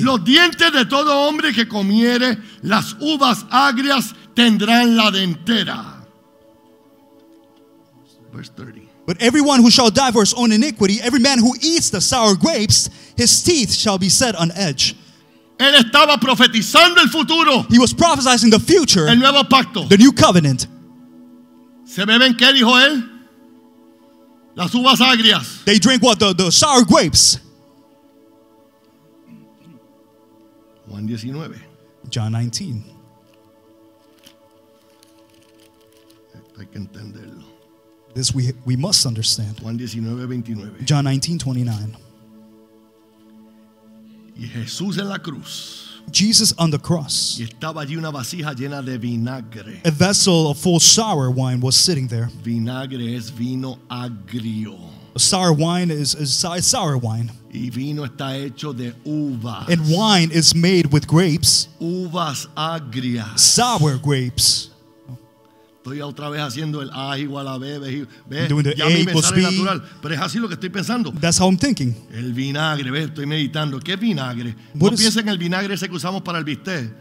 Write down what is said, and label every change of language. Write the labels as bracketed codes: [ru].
[es] Los dientes de todo hombre que comiere las uvas agrias tendrán la dentera. [en] Verse 30. But everyone who shall die for his own iniquity, every man who eats the sour grapes, his teeth shall be set on edge. [es] Él estaba profetizando el futuro. [en] He was prophesizing the future. [es] El nuevo pacto. [en] The new covenant. [es] ¿Se beben qué dijo él? Las uvas agrias. [en] They drink what? The sour grapes. [es] Juan 19. [en] John 19. [es] Esto hay que entenderlo. [en] This we must understand. [es] Juan 19, 29. [en] John 19, 29. [es] Y Jesús en la cruz. [en] Jesus on the cross. [es] Y estaba allí una vasija llena de vinagre. [en] A vessel of full sour wine was sitting there. [es] Vinagre es vino agrio. [en] Sour wine is sour wine. [es] Y vino está hecho de uvas. [en] And wine is made with grapes. [es] Uvas agrias. [en] Sour grapes. [es] Estoy otra vez haciendo el A igual a B, B, B. [en] Doing the [es] ya [en] A [es] mí [en] equals [es] me sale [en] B. [es] Natural, pero es así lo que estoy pensando. [en] That's how I'm thinking. [es] El vinagre, ve, estoy meditando. ¿Qué vinagre? What no piensen en el vinagre ese que usamos para el bistec.